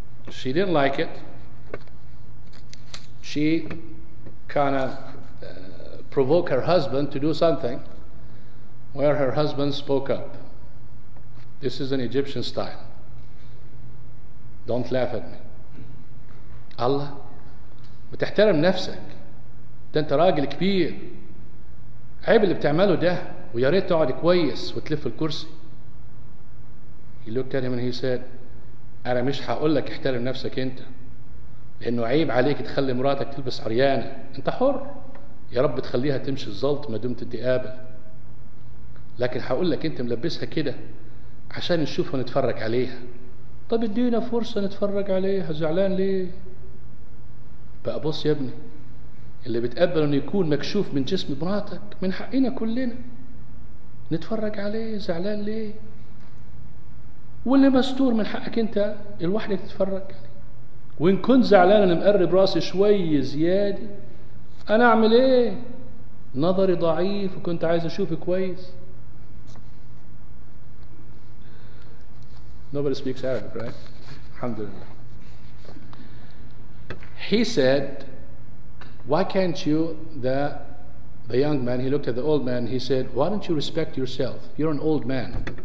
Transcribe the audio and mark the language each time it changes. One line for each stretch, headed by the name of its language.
English: She didn't like it. She kind of provoked her husband to do something, where her husband spoke up. This is an Egyptian style. Don't laugh at me.
Arabic: Allah, بتحترم نفسك. ده انت راجل كبير. عيب اللي بتعمله ده. ويا ريت تقعد كويس وتلف الكرسي.
English: He looked at him and he said,
Arabic: أنا مش هقول لك احترم نفسك أنت، لأنه عيب عليك تخلي مراتك تلبس عريانة، أنت حر، يا رب تخليها تمشي الزلط ما دمت أنت قابل، لكن هقول لك أنت ملبسها كده عشان نشوف ونتفرج عليها. طب ادينا فرصة نتفرج عليها، زعلان ليه؟ بقى بص يا ابني، اللي بتقبل أن يكون مكشوف من جسم مراتك من حقنا كلنا نتفرج عليه، زعلان ليه؟ واللي مستور من حقك أنت الوحدة تتفرج عليه. وإن كنت زعلان أنا مقرب راسي شوي زيادة، أنا أعمل إيه؟ نظري ضعيف وكنت عايز أشوف كويس.
English: Nobody speaks Arabic, right? Alhamdulillah. He said, why can't you, the young man, he looked at the old man, he said, why don't you respect yourself? You're an old man.